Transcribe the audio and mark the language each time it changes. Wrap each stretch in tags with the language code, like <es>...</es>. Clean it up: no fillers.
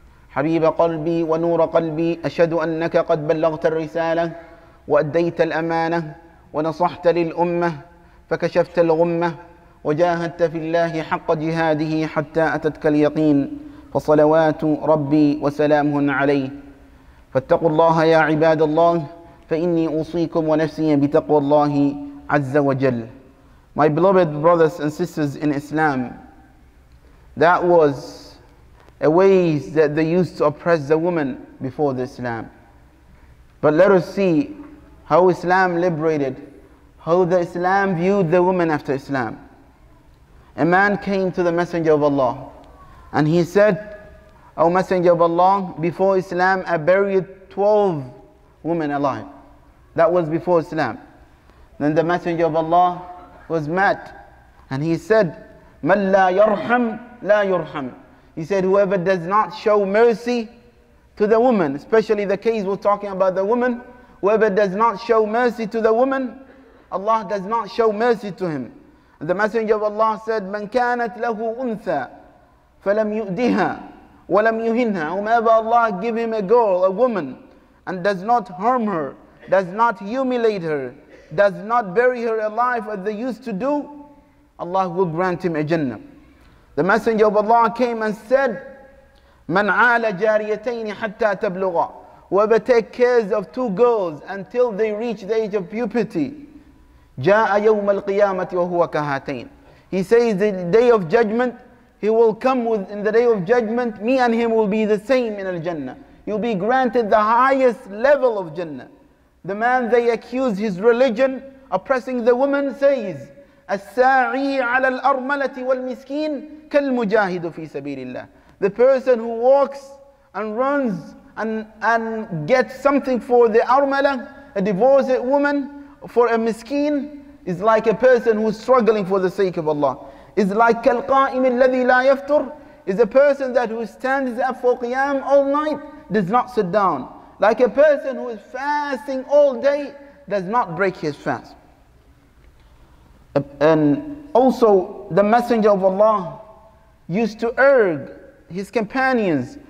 <ar>حبيب قلبي ونور قلبي أشهد أنك قد بلغت الرسالة وأديت الأمانة ونصحت للأمة فكشفت الغمة وجاهدت في الله حق جهاده حتى أتتك اليقين فصلوات ربي وسلامه عليه فاتقوا الله يا عباد الله فإني أوصيكم ونفسي بتقوى الله عز وجل.</ar> <en>My beloved brothers and sisters in Islam, that was a way that they used to oppress the woman before the Islam. But let us see how Islam liberated, how the Islam viewed the woman after Islam. A man came to the Messenger of Allah and he said, O Messenger of Allah, before Islam, I buried 12 women alive. That was before Islam. Then the Messenger of Allah was mad. And he said,</en> <ar>مَنْ لَا يَرْحَمْ لَا يُرْحَمْ.</ar> <en>He said, whoever does not show mercy to the woman, especially the case we're talking about the woman, whoever does not show mercy to the woman, Allah does not show mercy to him. And the Messenger of Allah said,</en> <ar>مَنْ كَانَتْ لَهُ أُنْثَى فَلَمْ يُؤْدِهَا وَلَمْ يُهِنْهَا.</ar> <en>Whomever Allah give him a girl, a woman, and does not harm her, does not humiliate her, does not bury her alive as they used to do, Allah will grant him a Jannah. The Messenger of Allah came and said,</en> <ar>مَنْ عَالَ جَارِيَتَيْنِ حَتَّى تَبْلُغَ.</ar> <en>Whoever take care of two girls until they reach the age of puberty,</en> <ar>جَاءَ يَوْمَ الْقِيَامَةِ وَهُوَ كَهَاتَيْنِ.</ar> <en>He says the day of judgment, he will come with, in the day of judgment, me and him will be the same in al-Jannah. You'll be granted the highest level of Jannah. The man they accuse his religion, oppressing the woman, says,</en> <ar>السَّاعِي عَلَى الْأَرْمَلَةِ وَالْمِسْكِينِ كَالْمُجَاهِدُ فِي سَبِيلِ اللَّهِ.</ar> <en>The person who walks and runs and gets something for the armala, a divorced woman, for a miskeen, is like a person who is struggling for the sake of Allah. Is like</en> <ar>كَالْقَائِمِ الَّذِي لَا يَفْتُرُ.</ar> <en>Is a person that who stands up for qiyam all night, does not sit down. Like a person who is fasting all day, does not break his fast. And also the Messenger of Allah used to urg his companions.</en>